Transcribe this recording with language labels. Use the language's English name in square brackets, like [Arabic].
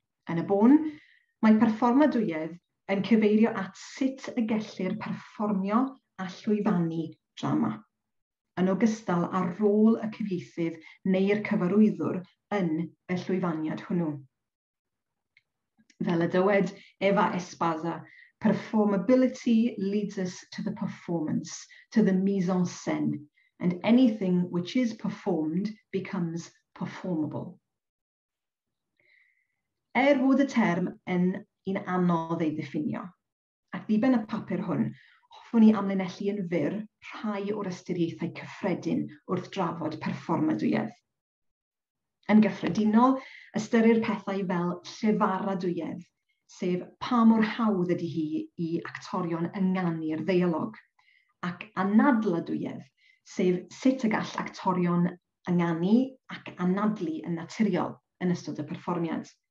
[Welsh] Yn y bôn, mae perfformadwyedd yn cyfeirio at sut y gellir perfformio a llwyfannu drama, yn ogystal â rôl y cyfieithydd neu'r cyfarwyddwr yn y llwyfaniad hwnnw. Fel y dywed [English] Eva Espaza, performability leads us to the performance, to the mise-en-scène, and anything which is performed becomes performable. [Welsh] Bod y term yn un anodd ei ddiffinio, ac ddiben y papur hwn, hoffwn I amlinellu yn fyr rhai o'r ystyriaethau cyffredin wrth drafod perfformadwyedd. Yn gyffredinol, ystyrir pethau fel llefaradwyedd, sef pa mor hawdd ydy hi I actorion ynganu'r ddeialog, ac anadladwyedd, sef sut y gall actorion ynganu ac anadlu yn naturiol yn ystod y perfformiad.